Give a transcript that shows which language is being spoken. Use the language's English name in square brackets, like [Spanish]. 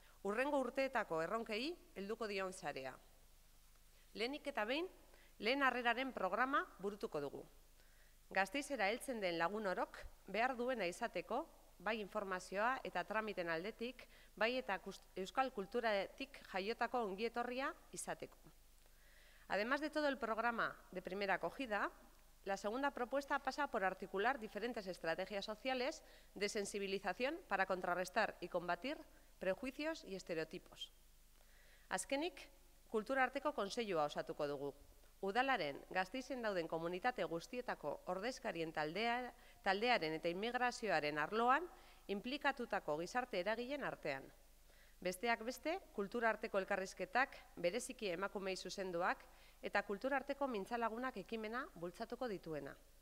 [Basque] Urrengo urteetako erronkei, helduko dion sarea. Lehenik eta behin, lehen harreraren programa burutuko dugu. Gasteizera heltzen den lagun orok, behar duena izateko, bai informazioa eta tramiten aldetik, bai eta euskal kulturatik jaiotako ongietorria izateko. [Spanish] Además de todo el programa de primera acogida, la segunda propuesta pasa por articular diferentes estrategias sociales de sensibilización para contrarrestar y combatir prejuicios y estereotipos. [Basque] Azkenik, kulturarteko kontseilua osatuko dugu. Udalaren, Gasteizen dauden komunitate guztietako ordezkarien taldearen eta inmigrazioaren arloan, implikatutako gizarte eragileen artean. Besteak beste, kulturarteko elkarrizketak, bereziki emakumei zuzenduak, eta kulturarteko mintzalagunak ekimena bultzatuko dituena.